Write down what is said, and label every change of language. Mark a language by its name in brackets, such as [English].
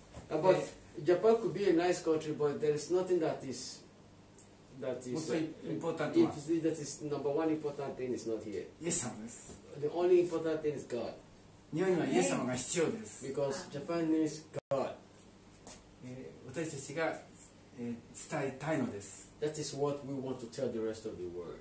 [English] But Japan could be a nice country, but there is nothing that is important. If that is number one important thing, is not here. Yes, I'm this. The only important thing is God. [Japanese] 日本にはイエス様が必要です。 [English] Because Japan needs God. [Japanese] 私たちが、伝えたいのです。 [English] That is what we want to tell the rest of the world.